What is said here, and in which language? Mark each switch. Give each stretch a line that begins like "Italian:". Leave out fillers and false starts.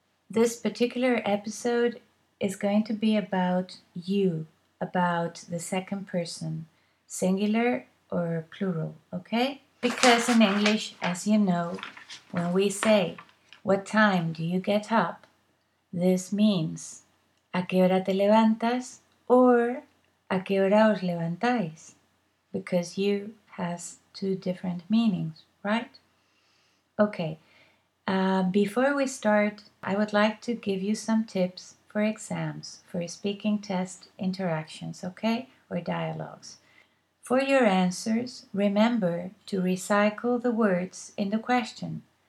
English: This particular episode is going to be about you, about the second person, singular or plural, okay? Because in English, as you know, when we say, "What time do you get up?"
Spanish: this means, ¿A qué hora te levantas? Or, ¿A qué hora os levantáis?
English: Because you has two different meanings, right? Okay, before we start, I would like to give you some tips for exams, for speaking test interactions, okay? Or dialogues. For your answers, remember to recycle the words in the question.